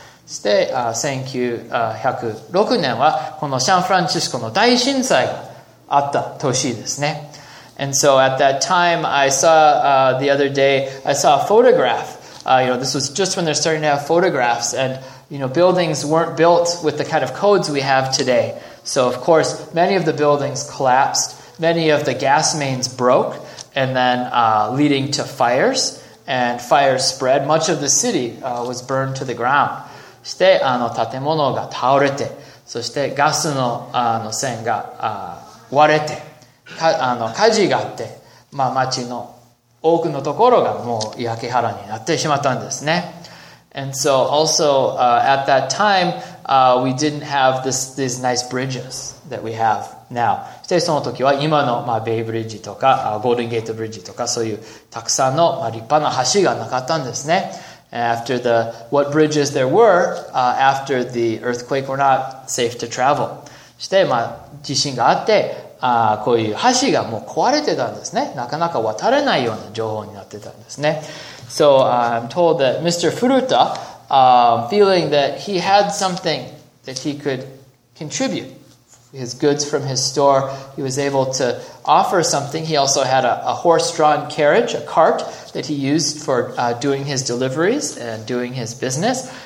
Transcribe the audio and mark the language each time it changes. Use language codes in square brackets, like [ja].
[ja] そして、1906年はこのサンフランシスコの大震災があった年ですね。 [en] And so at that time, I saw the other day, I saw a photograph. You know, this was just when they're starting to have photographs, and you know, buildings weren't built with the kind of codes we have today. So of course, many of the buildings collapsed, many of the gas mains broke, and then leading to fires. And fire spread. Much of the city, was burned to the ground. [ja] そして、建物が倒れて、そしてガスの、線が、割れて、火事があって、まあ、町の多くのところがもう焼け払いになってしまったんですね。 [en] And so also, at that time, we didn't have these nice bridges that we have now. [ja] そしてその時は今の、まあ、ベイブリッジとか、ゴールデンゲートブリッジとかそういうたくさんの、まあ、立派な橋がなかったんですね。 [en] After the, what bridges there were, after the earthquake were not safe to travel. [ja] そして、まあ、地震があって、こういう橋がもう壊れてたんですね。なかなか渡れないような情報になってたんですね。 [en] So I'm told that Mr. Furuta, feeling that he had something that he could contribute, his goods from his store, he was able to offer something. He also had a horse-drawn carriage, a cart, that he used for doing his deliveries and doing his business.